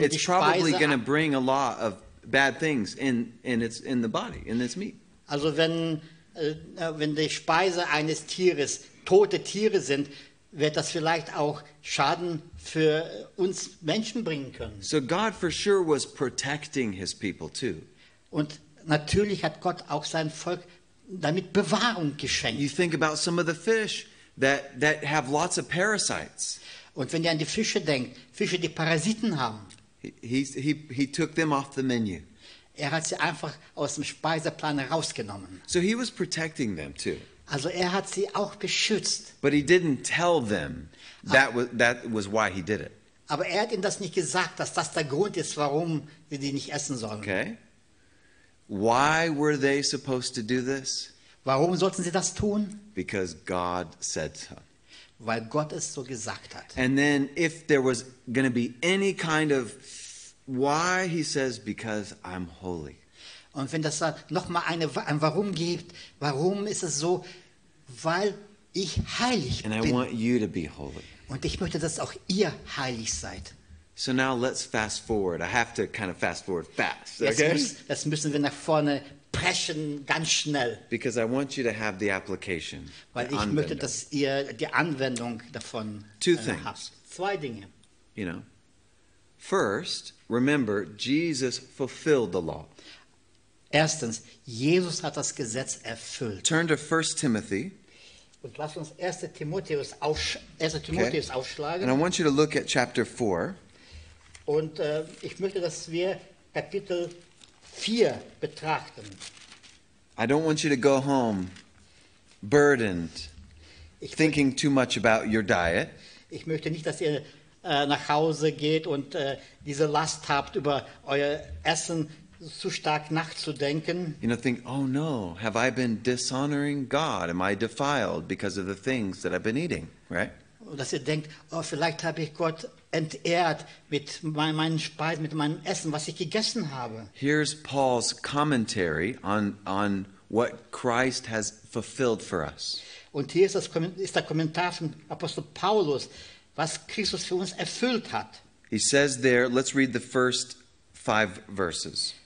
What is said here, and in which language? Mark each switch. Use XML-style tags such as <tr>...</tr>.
<en>it's probably going to bring a lot of bad things in the body, in its meat.</en> <de>Also wenn wenn die Speise eines Tieres tote Tiere sind, wird das vielleicht auch Schaden für uns Menschen bringen können.</de> <en>So God for sure was protecting his people too.</en> <de>Und natürlich hat Gott auch sein Volk damit Bewahrung geschenkt.</de> <en>You think about some of the fish that have lots of parasites.</en> <de>Und wenn ihr an die Fische denkt, Fische, die Parasiten haben.</de> <en>He took them off the menu.</en> <de>Er hat sie einfach aus dem Speiseplan rausgenommen.</de> <en>So he was protecting them too.</en> <de>Also hat sie auch geschützt.</de> <en>But he didn't tell them that was why he did it.</en> <de>Aber hat ihnen das nicht gesagt, dass das der Grund ist, warum wir die nicht essen sollen.</de> <en>Okay. Why were they supposed to do this?</en> <de>Warum sollten sie das tun?</de> <en>Because God said so.</en> <de>Weil Gott es so gesagt hat.</de> <en>And then if there was going to be any kind of why, he says, because I'm holy.</en> <de>Und wenn das noch mal ein Warum gibt, warum ist es so? Weil ich heilig bin.</de> <en>And I want you to be holy.</en> <de>Und ich möchte, dass auch ihr heilig seid.</de> <en>So now let's fast forward. I have to kind of fast forward fast. Okay?</en> <de>Jetzt müssen wir nach vorne preschen, ganz schnell.</de> <en>Because I want you to have the application.</en> <de>Weil ich möchte, dass ihr die Anwendung davon habt. Zwei Dinge.</de> <en>You know, first, remember, Jesus fulfilled the law.</en> <de>Erstens, Jesus hat das Gesetz erfüllt.</de> <en>Turn to 1 Timothy.</en> <de>Und lass uns 1. Timotheus, 1. Timotheus aufschlagen.</de> <en>And I want you to look at chapter 4.</en> <de>Und ich möchte, dass wir Kapitel 4 betrachten.</de> <en>I don't want you to go home burdened, thinking too much about your diet.</en> <de>Ich möchte nicht, dass ihr nach Hause geht und diese Last habt über euer Essen, zu stark nachzudenken.</de> <en>You know, think, oh no, have I been dishonoring God? Am I defiled because of the things that I've been eating, right?</en> <de>Dass ihr denkt, oh, vielleicht habe ich Gott entehrt mit meinen Speisen, mit meinem Essen, was ich gegessen habe.</de> <en>Here's Paul's commentary on what Christ has fulfilled for us.</en> <de>Und hier ist der Kommentar von Apostel Paulus, was Christus für uns erfüllt hat.</de> <en>He says there, let's read the first 5 verses.</en>